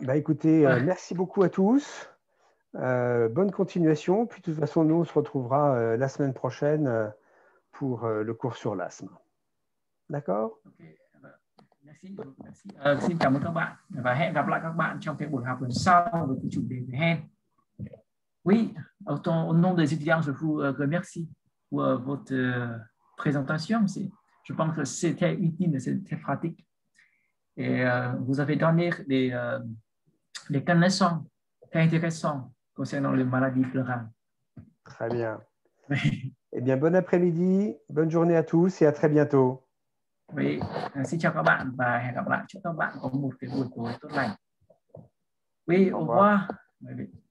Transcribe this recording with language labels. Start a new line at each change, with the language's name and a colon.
French: Bah, écoutez, merci beaucoup à tous. Bonne continuation. Puis de toute façon, nous, on se retrouvera la semaine prochaine pour le cours sur l'asthme. D'accord? Merci. Merci.
Vietnamese: Xin chào các bạn và hẹn gặp lại các bạn trong cái buổi học lần sau với cái chủ đề về hen.
French: Oui, autant au nom des étudiants, je vous remercie pour votre présentation. Je pense que c'était utile, c'était pratique. Et vous avez donné des connaissances très intéressantes concernant les maladies pleurales. Très bien. Eh bien, bon après-midi, bonne journée à tous et à très bientôt.
Vietnamese: Oui, xin chào các bạn và hẹn gặp lại. Chúc các bạn có một cái buổi tối tốt lành.
French: Oui, au revoir.
English: Maybe.